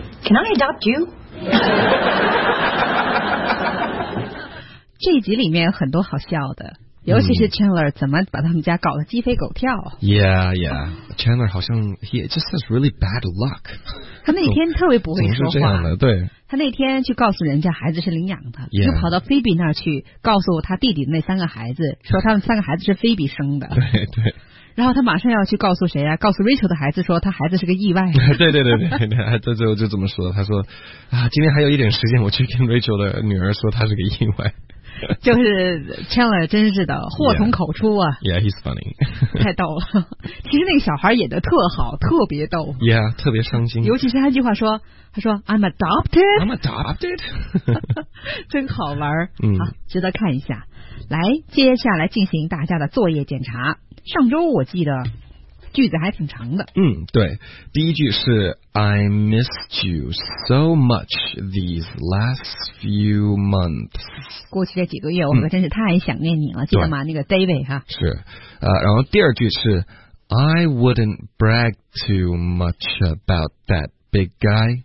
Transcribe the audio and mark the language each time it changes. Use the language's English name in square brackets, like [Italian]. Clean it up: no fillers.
[English] Can I adopt you? [Chinese] 这一集里面有很多好笑的，尤其是 Chandler 怎么把他们家搞得鸡飞狗跳。 [English] Yeah, yeah. Chandler [Chinese] 好像 [English] he just has really bad luck. [Chinese] 他那天特别不会说话。总是这样的，对。他那天去告诉人家孩子是领养的， [English] yeah. [Chinese] 又跑到菲比那儿去告诉他弟弟的那三个孩子，说他们三个孩子是菲比生的。对对。然后他马上要去告诉谁啊？告诉 Rachel 的孩子说他孩子是个意外。对对对对，他最后就这么说，他说啊，今天还有一点时间，我去跟 Rachel 的女儿说他是个意外。就是 Chandler 真是的，祸从口出啊。 [English] Yeah, yeah, he's funny. [Chinese] 太逗了，其实那个小孩演得特好，特别逗。 Yeah, 特别伤心。尤其是他一句话说，他说 [English] I'm adopted. I'm adopted. [Chinese] 真好玩，嗯，好，值得看一下。来，接下来进行大家的作业检查。上周我记得句子还挺长的。嗯，对，第一句是 [English] I missed you so much these last few months。 [Chinese] 过去这几个月，我可真是太想念你了，记得吗？那个 David 哈。是，然后第二句是 [English] I wouldn't brag too much about that big guy。